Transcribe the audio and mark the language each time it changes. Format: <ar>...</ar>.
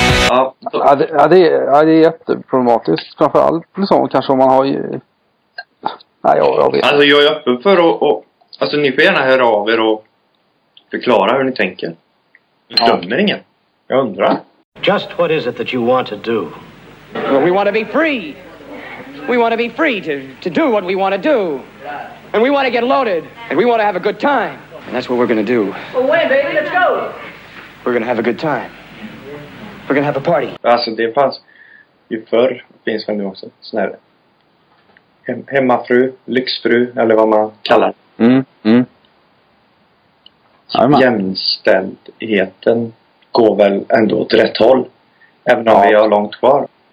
<sv>Ja, det är jätteproblematiskt, framförallt liksom, kanske om man har ju... Nej, jag vet. Alltså jag är öppen för alltså ni får gärna höra av er och förklara hur ni tänker. Dömer ingen. Jag undrar.</sv> <en>Just what is it that you want to do? Well, we want to be free. We want to be free to do what we want to do. And we want to get loaded. And we want to have a good time. And that's what we're going to do. Well, wait, baby, let's go. We're going to have a good time. We're going to have a party.</en> <sv>Alltså det fanns ju förr, finns väl nu också, snälla. Hemmafru, lyxfru eller vad man kallar det. Mm. Jämställdheten går väl ändå åt rätt håll. Även om vi har långt kvar.</sv>